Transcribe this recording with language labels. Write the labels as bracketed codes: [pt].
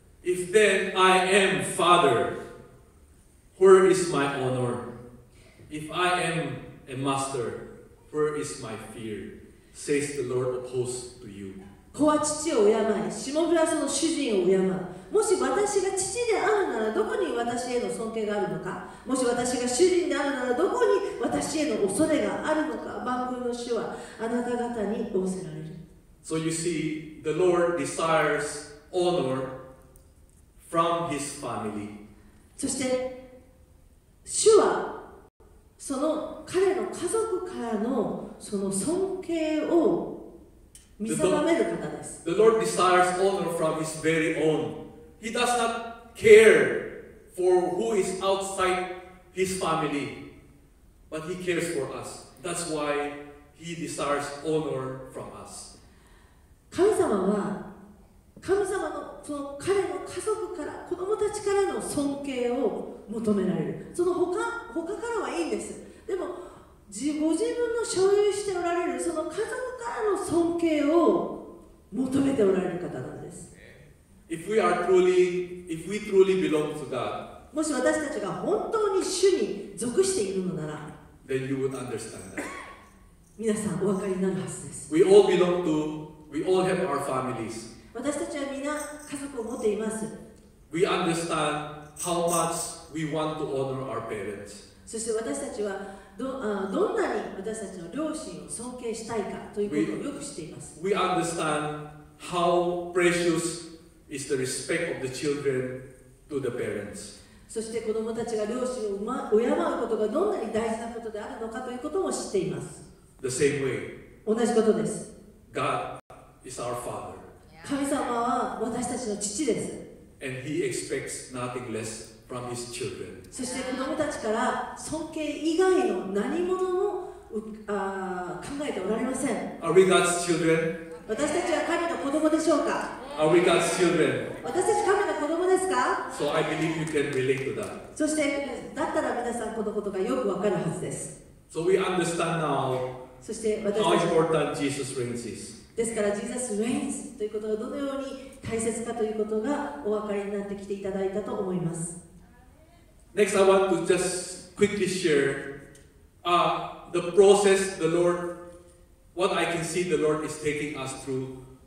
[en] If then I am father, where is my honor? If I am a master, where is my fear? Says the Lord of hosts to you. [ja] 子は父を敬い、しもべはその主人を敬う。もし私が父であるならどこに私への尊敬があるのか、もし私が主人であるならどこに私への恐れがあるのか、万軍の主はあなた方に仰せられる。 [en] So you see, the Lord desires honor from his family. [ja] そして主はその彼の家族からのその尊敬を見定める方です。 [en] The Lord desires honor from his very own. He does not care for who is outside his family, but he cares for us. That's why he desires honor from us. [ja] 神様は神様のその彼の家族から子供たちからの尊敬を求められる。その他からはいいんです。でもご自分の所有しておられるその家族からの尊敬を求めておられる方なんです。 [en] If we are truly, if we truly belong to God, [ja] もし私たちが本当に主に属しているのなら、 [en] then you would understand that. [ja] 皆さんお分かりになるはずです。 [en] We all belong to, we all have our families. [ja] 私たちはみんな家族を持っています。 [en] We understand how much we want to honor our parents. [ja] そして私たちは どんなに私たちの両親を尊敬したいかということをよく知っています。 [en] We understand how precious is the respect of the children to the parents. [ja] そして子供たちが両親を敬うことがどんなに大事なことであるのかということも知っています。 [en] The same way. [ja] 同じことです。 [en] God is our father. [ja] 神様は私たちの父です。 [en] And he expects nothing less from his children. [ja] そして子供たちから尊敬以外の何者も考えておられません。 [en] Are we God's children? [ja] 私たちは神の子供でしょうか？ [en] Are we God's children? [ja] 私たち神の子供ですか？ [en] So I believe you can relate to that. [ja] そしてだったら皆さんこのことがよくわかるはずです。 [en] So we understand now [ja] そして私 [en] たち how important Jesus reigns is. [ja] ですから Jesus reigns ということがどのように大切かということがお分かりになってきていただいたと思います。 [en] Next, I want to just quickly share the process the Lord, what I can see the Lord is taking us through.